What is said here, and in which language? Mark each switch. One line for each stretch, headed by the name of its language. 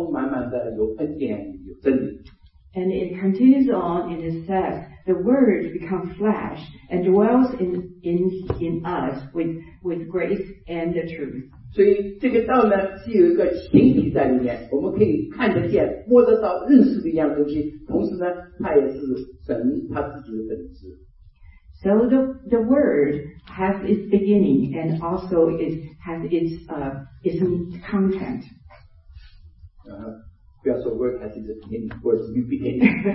Chinese: 然后呢，就讲这个道，他的见证，然后讲到十四节的时候，
English: 14 verse
Chinese: 说，说道成了肉身，住在我们中间，充满的有恩典，有真理。
English: And it continues on, it says, the word become flesh and dwells in us with grace and the truth.
Chinese: 所以这个道呢，是有一个形体在里面，我们可以看得见、摸得到、认识的一样东西。同时呢，它也是神他自己的本质。
English: So the word has its beginning and also it has its content. Yeah, so word has its beginning, word's new beginning.